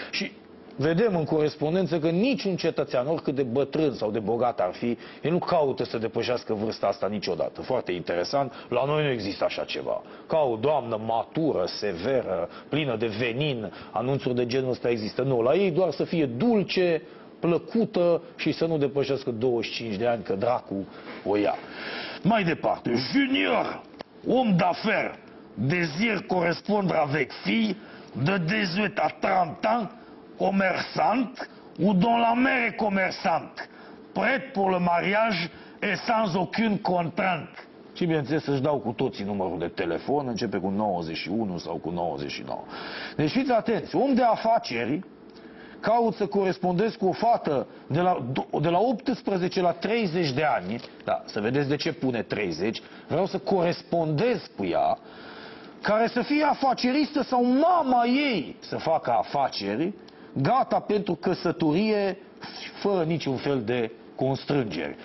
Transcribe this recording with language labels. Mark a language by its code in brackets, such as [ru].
[ro] Și vedem în corespondență că niciun cetățean, oricât de bătrân sau de bogat ar fi, el nu caută să depășească vârsta asta niciodată. Foarte interesant, la noi nu există așa ceva. Ca o doamnă matură, severă, plină de venin, anunțuri de genul ăsta există. Nu, la ei doar să fie dulce, plăcută și să nu depășească 25 de ani, că dracu o ia. Mai departe, [fr] junior, om d'affaires, désire correspondre avec fille de 18 à 30 ans, commerçant ou dont la mère est commerçante, prête pour le mariage et sans aucune contrainte. [ro] Și bineînțeles să-și dau cu toții numărul de telefon, începe cu 91 sau cu 99. Deci fiți atenți, om de afaceri caut să corespondez cu o fată de la 18 la 30 de ani, da, să vedeți de ce pune 30, vreau să corespondez cu ea, care să fie afaceristă sau mama ei să facă afaceri, gata pentru căsătorie, fără niciun fel de constrângeri.